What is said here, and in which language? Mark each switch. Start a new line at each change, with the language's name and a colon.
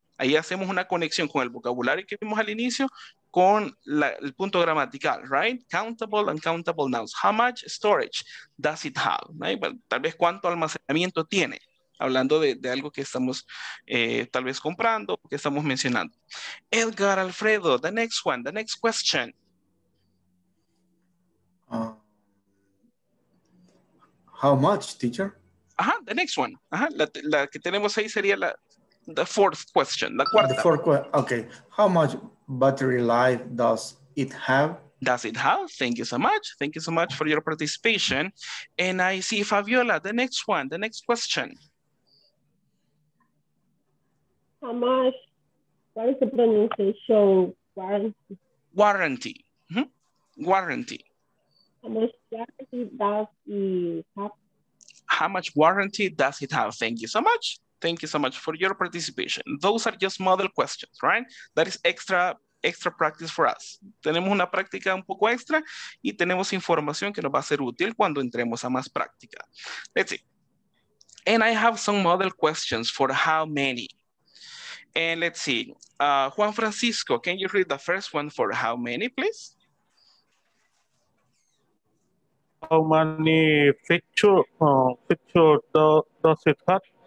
Spanish: Ahí hacemos una conexión con el vocabulario que vimos al inicio con el punto gramatical, right?
English: Countable, uncountable nouns. How much storage does it have? Right?
Spanish: Well, tal vez cuánto almacenamiento tiene, hablando de algo que estamos tal vez comprando, que estamos mencionando.
English: Edgar, Alfredo, the next one, the next question. How much, teacher?
Spanish: Ajá,
English: the next one.
Spanish: Ajá, la que tenemos ahí sería
English: the fourth question,
Spanish: la cuarta.
English: The fourth question, okay. How much battery life does it have? Does it have? Thank you so much. Thank you so much for your participation. And I see Fabiola, the next one, the next question. How much, what is the pronunciation? Warranty. Mm-hmm. Warranty. How much warranty does it have? Thank you so much. Thank you so much for your participation. Those are just model questions, right? That is extra practice for us.
Spanish: Tenemos una práctica un poco extra y tenemos información que nos va a ser útil cuando entremos a más práctica.
English: Let's see. And I have some model questions for how many. And let's see. Juan Francisco, can you read the first one for how many, please? How many features does it have?